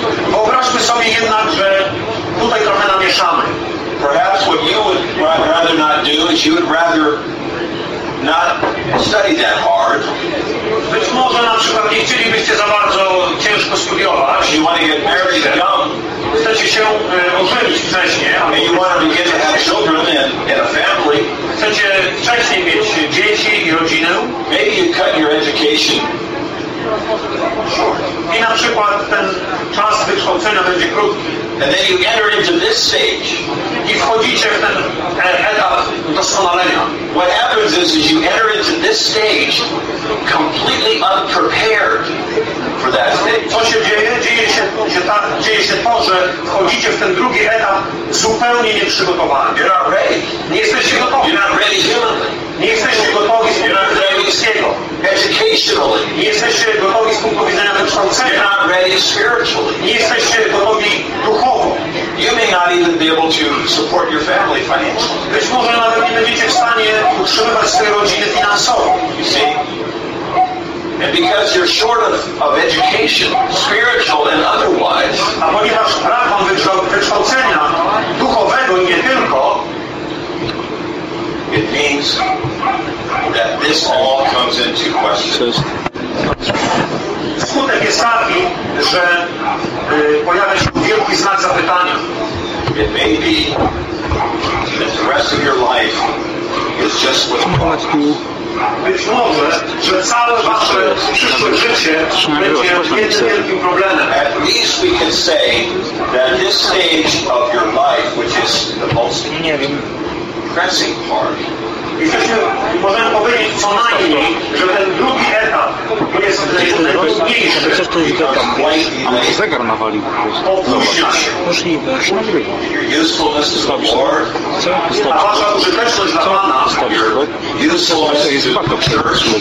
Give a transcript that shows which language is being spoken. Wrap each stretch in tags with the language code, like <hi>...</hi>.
<pl>Wyobraźmy sobie jednak, że tutaj trochę namieszamy.</pl> <en>Perhaps what you would rather not do is you would rather not study that hard.</en> <pl>Być może na przykład nie chcielibyście za bardzo ciężko studiować.</pl> <en>You want to get married young.</en> <pl>Chcecie się ożenić wcześniej.</pl> <en>And you want to begin to have children and a family.</en> <pl>Chcecie wcześniej mieć dzieci i rodzinę.</pl> <en>Maybe you cut your education. Sure.</en> <pl>I na przykład ten czas wykształcenia będzie krótki.</pl> <en>And then you enter into this stage.</en> <pl>I wchodzicie w ten etap doskonalenia.</pl> <en>What happens is you enter into this stage completely unprepared for that stage.</en> <pl>Co się dzieje? Dzieje się to, że wchodzicie w ten drugi etap zupełnie nieprzygotowani.</pl> <en>You're not ready.</en> <pl>Nie jesteście gotowi.</pl> <en>You're not ready humanly.</en> <pl>Nie jesteście gotowi z punktu widzenia ludzkiego.</pl> <en>Educationally.</en> <pl>Nie jesteście gotowi z punktu widzenia wykształcenia.</pl> <en>You're not ready spiritually.</en> <pl>Nie jesteście gotowi duchowo.</pl> <en>You may not even be able to support your family financially.</en> <pl>Być może nawet nie będziecie w stanie utrzymywać swojej rodziny finansowo.</pl> <en>You see? And because you're short of education, spiritual and otherwise,</en> <pl>a ponieważ brak wam wykształcenia duchowego i nie tylko,</pl> <en>it means that this all comes into question.</en> <pl>Skutek jest taki, że pojawia się wielki znak zapytania.</pl> <en>It may be that the rest of your life is just what you want to do.</en> <pl>Być może, że całe wasze przyszłe życie będzie jednym wielkim problemem.</pl> <en>At least we can say that this stage of your life, which is the most pressing part,</en> <pl>możemy powiedzieć co najmniej, że ten drugi etap jest najtrudniejszy. Chcesz coś dodać? A może zegar nawalił po prostu? Możliwe, już nagrywa. Zostawisz. A wasza użyteczność dla Pana. Zostawisz. To jest warto przerwać.</pl>